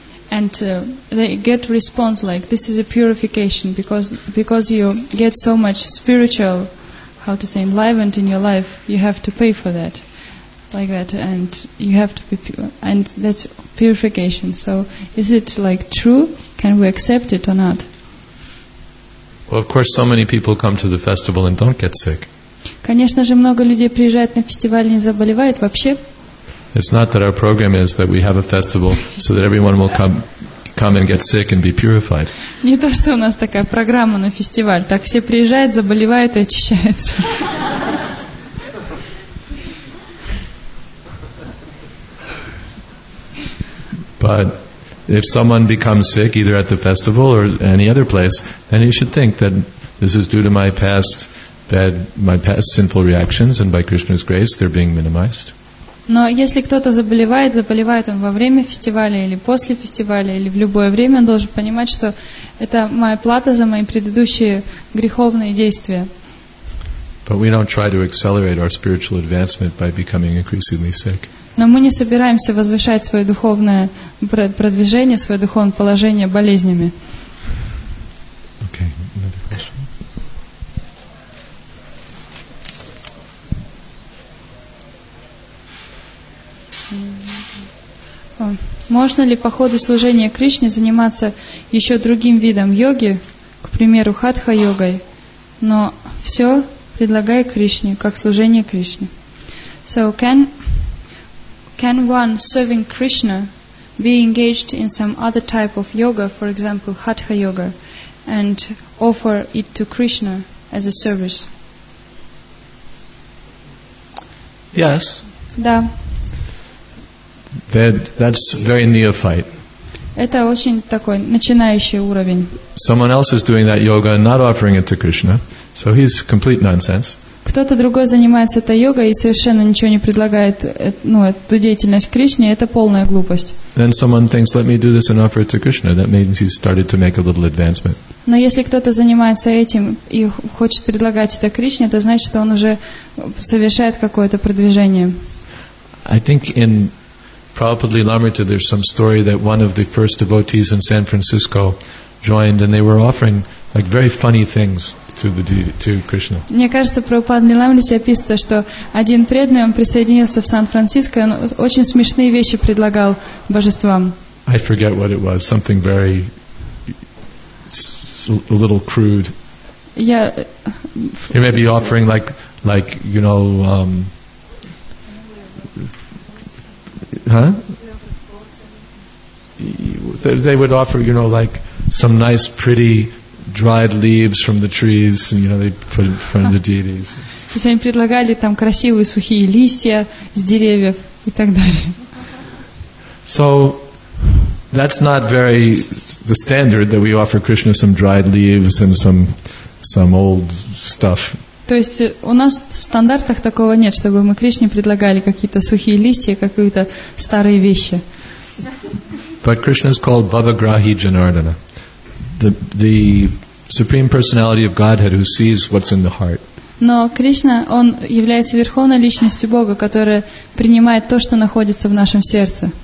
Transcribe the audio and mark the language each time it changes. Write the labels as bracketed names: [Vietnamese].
[English] And they get response like, this is a purification, because you get so much spiritual, enlivened in your life, you have to pay for that. like that, and you have to be pure, and that's purification. So is it like true? Can we accept it or not? Well, of course, so many people come to the festival and don't get sick. [Russian] Конечно же, много людей приезжают на фестиваль и не заболевают вообще. [English] It's not that our program is that we have a festival so that everyone will come and get sick and be purified. [Russian] Не то, что у нас такая программа на фестиваль. Так все приезжают, заболевают и очищаются. [English] But if someone becomes sick either at the festival or any other place, then you should think that this is due to my past sinful reactions, and by Krishna's grace they're being minimized. [Russian] Но если кто-то заболевает он во время фестиваля или после фестиваля или в любое время, он должен понимать, что это моя плата за мои предыдущие греховные действия. [English] But we don't try to accelerate our spiritual advancement by becoming increasingly sick. [Russian] Но мы не собираемся возвышать свое духовное продвижение, свое духовное положение болезнями. [English] Okay, another question. [Russian] Можно ли по ходу служения Кришне заниматься еще другим видом йоги, к примеру, хатха-йогой, но все предлагая Кришне, как служение Кришне? [English] So can one serving Krishna be engaged in some other type of yoga, for example, hatha-yoga, and offer it to Krishna as a service? Yes. [Russian] Да. [English] That's very neophyte. [Russian] Это очень такой начинающий уровень. [English] Someone else is doing that yoga and not offering it to Krishna, so he's complete nonsense. [Russian] Кто-то другой занимается этой йогой и совершенно ничего не предлагает, ну, эту деятельность Кришне, это полная глупость. [English] Then someone thinks, let me do this and offer it to Krishna. That means he's started to make a little advancement. [Russian] Но если кто-то занимается этим и хочет предлагать это Кришне, это значит, что он уже совершает какое-то продвижение. [English] I think in Prabhupada Lilamrita, there's some story that one of the first devotees in San Francisco joined, and they were offering like very funny things to Krishna. [Russian] Мне кажется, Прабхупада Лилямрите описывается, что один преданный, он присоединился в Сан-Франциско, он очень смешные вещи предлагал божествам. [English] I forget what it was, something very a little crude. Yeah. He may be offering like you know. Huh? They would offer, you know, like some nice, pretty dried leaves from the trees, and you know, they put in front of the deities. [Russian] То есть они предлагали там красивые сухие листья с деревьев и так далее. [English] So that's not very the standard that we offer Krishna some dried leaves and some old stuff. [Russian] То есть у нас в стандартах такого нет, чтобы мы Кришне предлагали какие-то сухие листья, какие-то старые вещи. [English] But Krishna is called Bhavagrahi Janardana, the supreme personality of Godhead who sees what's in the heart. [Russian] Но Кришна, он является верховной личностью Бога, которая принимает то, что находится в нашем сердце.